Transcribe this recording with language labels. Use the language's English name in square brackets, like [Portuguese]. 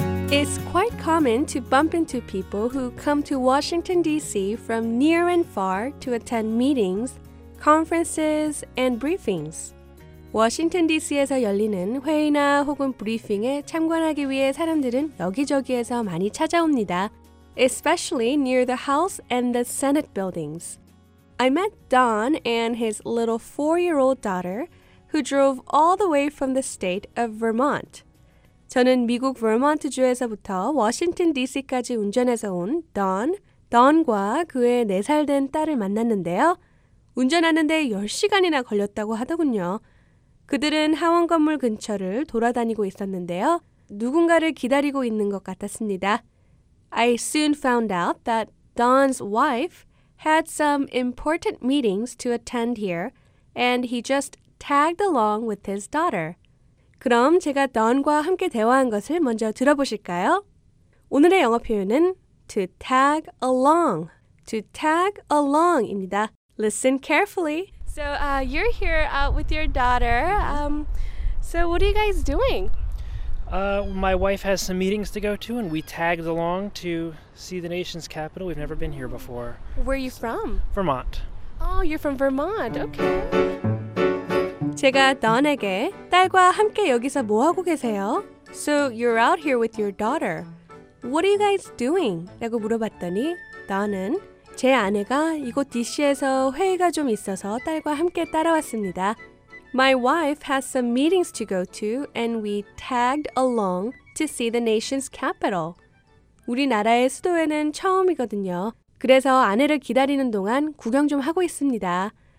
[English] It's quite common to bump into people who come to Washington, D.C. from near and far to attend meetings, conferences, and briefings. [Korean] 워싱턴 D.C.에서 열리는 회의나 혹은 브리핑에 참관하기 위해 사람들은 여기저기에서 많이 찾아옵니다. [English] Especially near the House and the Senate buildings. I met Don and his little 4-year-old daughter, who drove all the way from the state of Vermont. [Korean] 저는 미국 버몬트주에서부터 워싱턴 D.C.까지 운전해서 온 Don과 그의 4살 된 딸을 만났는데요. 운전하는데 10시간이나 걸렸다고 하더군요. 그들은 하원 건물 근처를 돌아다니고 있었는데요. 누군가를 기다리고 있는 것 같았습니다. [English] I soon found out that Don's wife had some important meetings to attend here, and he just tagged along with his daughter. [Korean] 그럼 제가 Don과 함께 대화한 것을 먼저 들어보실까요? 오늘의 영어 표현은 [English] to tag along, to tag along [Korean] 입니다. [English] Listen carefully. So you're here out with your daughter. So what are you guys doing? My wife has some meetings to go to, and we tagged along to see the nation's capital. We've never been here before. Where are you from? Vermont. Oh, you're from Vermont. Okay. [Korean] 제가 Don에게 딸과 함께 여기서 뭐 하고 계세요? [English] So you're out here with your daughter. What are you guys doing? [Korean] 라고 물어봤더니 Don은 제 아내가 이곳 DC에서 회의가 좀 있어서 딸과 함께 따라왔습니다. [English] My wife has some meetings to go to and we tagged along to see the nation's capital. [Korean] 우리나라의 수도에는 처음이거든요. 그래서 아내를 기다리는 동안 구경 좀 하고 있습니다.